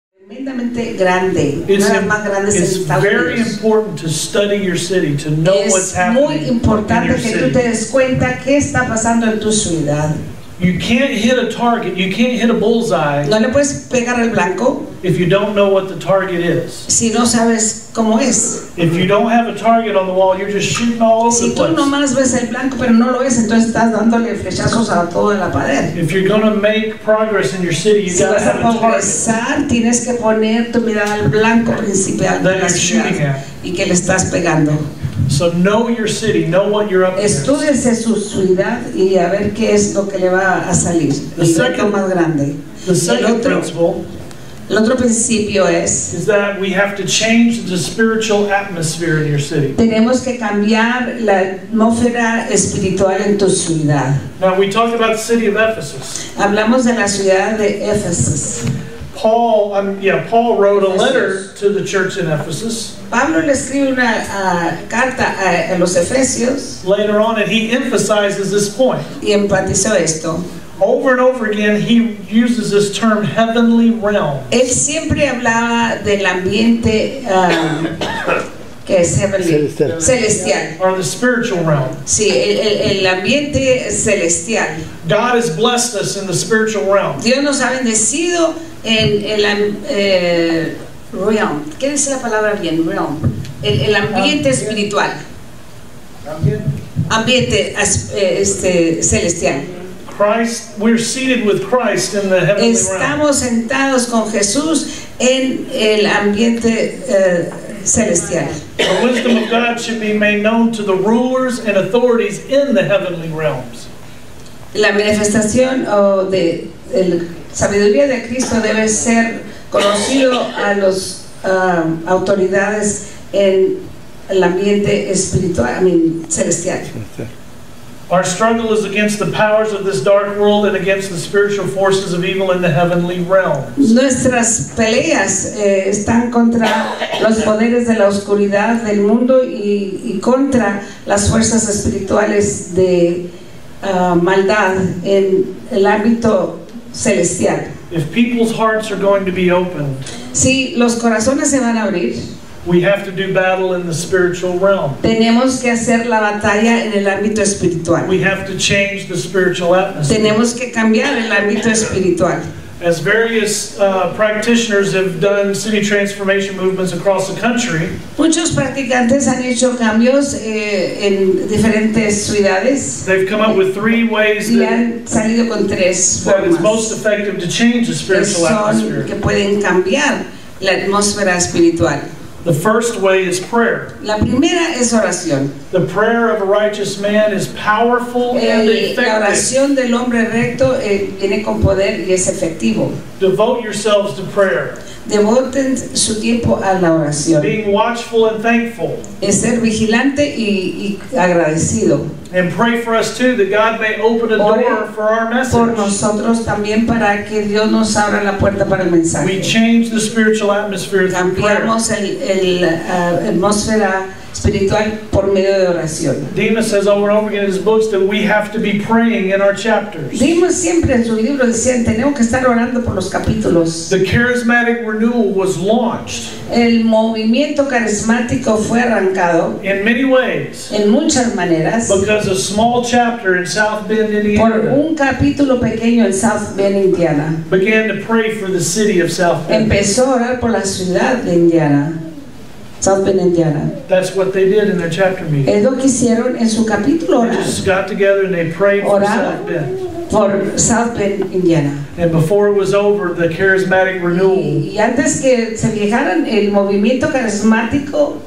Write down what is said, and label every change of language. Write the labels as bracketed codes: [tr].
[en] It's very important to study your city, to know what's happening in your city. You can't hit a target, you can't hit a bullseye. [es] No le puedes pegar el blanco. [en] If you don't know what the target is. [es] Si no sabes cómo es. [en] If you don't have a target on the wall, you're just shooting all over [es] si [en] the place. [es] Si tú nomás ves el blanco, pero no lo ves, entonces estás dándole flechazos a toda la pared. [en] If you're going to make progress in your city, you've [es] si [en] got to have a target. [es] Si vas a progresar, tienes que poner tu mirada al blanco principal de la ciudad y que le estás pegando. [en] So know your city, know what you're up against. [es] Estúdiese su ciudad y a ver qué es lo que le va a salir. [en] The second, [es] más grande. [en] The second principle. [es] El otro principio es [en] that we have to change the spiritual atmosphere in your city. [es] Tenemos que cambiar la atmósfera espiritual en tu ciudad. [en] Now we talked about the city of Ephesus. [es] Hablamos de la ciudad de Éfesos. [en] Paul wrote a letter to the church in Ephesus. [es] Pablo le escribe una carta a los Efesios. [en] Later on, and he emphasizes this point. [es] Y enfatizó esto. [en] Over and over again, he uses this term, heavenly realm. [es] Él siempre hablaba del ambiente que es heavenly, celestial. [en] Or the spiritual realm. [es] Sí, el ambiente celestial. [en] God has blessed us in the spiritual realm. [es] Dios nos ha bendecido en el realm. ¿Qué dice la palabra bien? Realm. El ambiente espiritual. Ambiente. Ambiente celestial. [en] Christ, we're seated with Christ in the heavenly realm. [es] Estamos sentados con Jesús en el ambiente celestial. [en] The wisdom of God should be made known to the rulers and authorities in the heavenly realms. [es] La manifestación de la sabiduría de Cristo debe ser conocido a los autoridades en el ambiente espiritual, celestial. [en] Our struggle is against the powers of this dark world and against the spiritual forces of evil in the heavenly realms. [es] Nuestras peleas están contra los poderes de la oscuridad del mundo y contra las fuerzas espirituales de maldad en el ámbito celestial. [en] If people's hearts are going to be opened, [es] si los corazones se van a abrir, [en] we have to do battle in the spiritual realm. [es] Tenemos que hacer la batalla en el ámbito espiritual. [en] We have to change the spiritual atmosphere. [es] Tenemos que cambiar el ámbito espiritual. [en] As various practitioners have done city transformation movements across the country, [es] muchos practicantes han hecho cambios en diferentes ciudades. [en] They've come up with three ways that is most effective to change the spiritual atmosphere. [es] Que pueden cambiar la atmósfera espiritual. [en] The first way is prayer. [es] La primera es oración. [en] The prayer of a righteous man is powerful and effective. [es] La oración del hombre recto tiene con poder y es efectivo. [en] Devote yourselves to prayer. [es] Devoten su tiempo a la oración. [en] Being watchful and thankful. [es] Es ser vigilante y agradecido. [en] And pray for us too, that God may open a door for our message. [es] Por nosotros también para que Dios nos abra la puerta para el mensaje. [en] We change the spiritual atmosphere through prayer. [es] Cambiamos el atmósfera espiritual por medio de oración. [en] Demas says over and over again in his books that we have to be praying in our chapters. [es] Demas siempre en su libro decía tenemos que estar orando por los capítulos. [en] The charismatic renewal was launched. [es] El movimiento carismático fue arrancado. [en] In many ways. [es] En muchas maneras. [en] Because a small chapter in South Bend, Indiana. [es] Por un capítulo pequeño en South Bend, Indiana. [en] Began to pray for the city of South Bend. [es] Empezó a orar por la ciudad de Indiana. [en] That's what they did in their chapter meeting. [es] Es lo que hicieron en su capítulo. [en] They just got together and they prayed for South Bend. For South Bend, Indiana. And before it was over, the charismatic renewal [es] y antes que se viajaran, el movimiento carismático